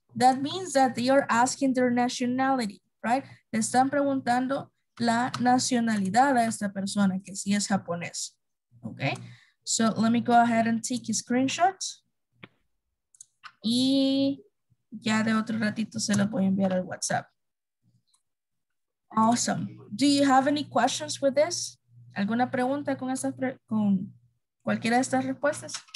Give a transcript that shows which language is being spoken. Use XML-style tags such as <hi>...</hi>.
<en>That means that they are asking their nationality, right?</en> <es>Le están preguntando la nacionalidad a esta persona, que si es japonés.</es> <en>Okay? So let me go ahead and take a screenshot.</en> <es>Y ya de otro ratito se lo voy a enviar al WhatsApp.</es> <en>Awesome. Do you have any questions with this?</en> <es>¿Alguna pregunta con esa con cualquiera de estas respuestas?</es>